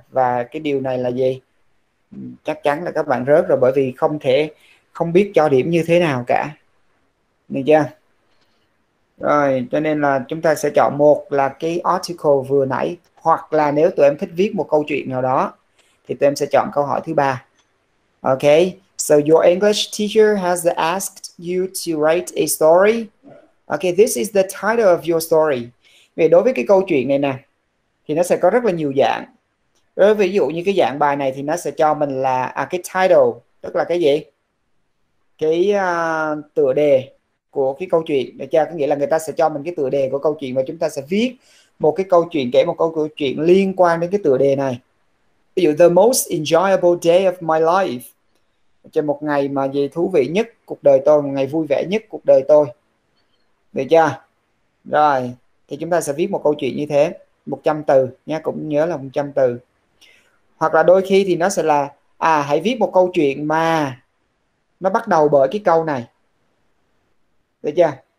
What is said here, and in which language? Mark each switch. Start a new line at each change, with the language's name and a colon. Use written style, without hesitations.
Vietnamese: Và cái điều này là gì? Chắc chắn là các bạn rớt rồi, bởi vì không thể không biết cho điểm như thế nào cả. Được chưa? Rồi, cho nên là chúng ta sẽ chọn một là cái article vừa nãy, hoặc là nếu tụi em thích viết một câu chuyện nào đó thì tụi em sẽ chọn câu hỏi thứ ba.
English: Ok, so your English teacher has asked you to write a story. Ok, this is the title of your story.
Vietnamese: Vì đối với cái câu chuyện này nè thì nó sẽ có rất là nhiều dạng. Ví dụ như cái dạng bài này thì nó sẽ cho mình là cái title, tức là cái gì? Cái tựa đề của cái câu chuyện. Được chưa? Có nghĩa là người ta sẽ cho mình cái tựa đề của câu chuyện và chúng ta sẽ viết một cái câu chuyện, kể một câu chuyện liên quan đến cái tựa đề này. Ví dụ,
English: the most enjoyable day of my life.
Vietnamese: Cho một ngày mà gì thú vị nhất cuộc đời tôi, một ngày vui vẻ nhất cuộc đời tôi. Được chưa? Rồi, thì chúng ta sẽ viết một câu chuyện như thế. 100 từ nha, cũng nhớ là 100 từ. Hoặc là đôi khi thì nó sẽ là hãy viết một câu chuyện mà nó bắt đầu bởi cái câu này. Được chưa?